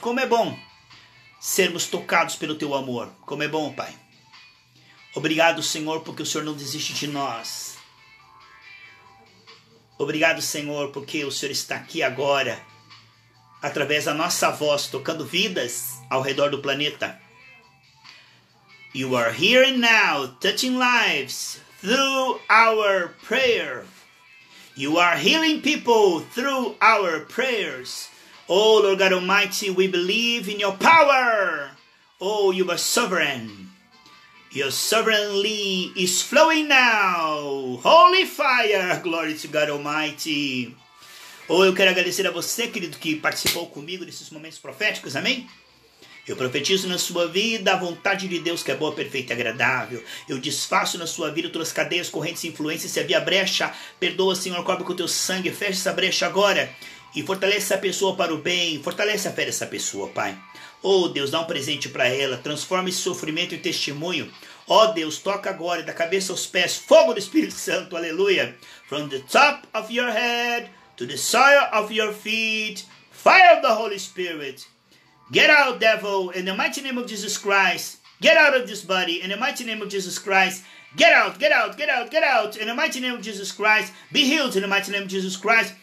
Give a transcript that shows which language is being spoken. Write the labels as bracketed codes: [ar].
[pt] Como é bom sermos tocados pelo teu amor. Como é bom, Pai. Obrigado, Senhor, porque o Senhor não desiste de nós. Obrigado, Senhor, porque o Senhor está aqui agora, através da nossa voz, tocando vidas ao redor do planeta. [en] You are here and now, touching lives through our prayer. You are healing people through our prayers. Oh, Lord God Almighty, we believe in your power. Oh, you are sovereign. Your sovereignty is flowing now. Holy fire, glory to God Almighty. [pt] Oh, eu quero agradecer a você, querido, que participou comigo nesses momentos proféticos, amém? Eu profetizo na sua vida a vontade de Deus, que é boa, perfeita e agradável. Eu desfaço na sua vida todas as cadeias, correntes e influências. Se havia brecha, perdoa, Senhor, cobre com o teu sangue. Feche essa brecha agora E fortalece essa pessoa para o bem, fortalece a fé dessa pessoa, Pai. Oh, Deus, dá um presente para ela, transforma esse sofrimento em testemunho. Oh, Deus, toca agora, da cabeça aos pés, fogo do Espírito Santo, aleluia. [en] From the top of your head to the soil of your feet, fire of the Holy Spirit. Get out, devil, in the mighty name of Jesus Christ. Get out of this body, in the mighty name of Jesus Christ. Get out, get out, get out, get out, in the mighty name of Jesus Christ. Be healed in the mighty name of Jesus Christ.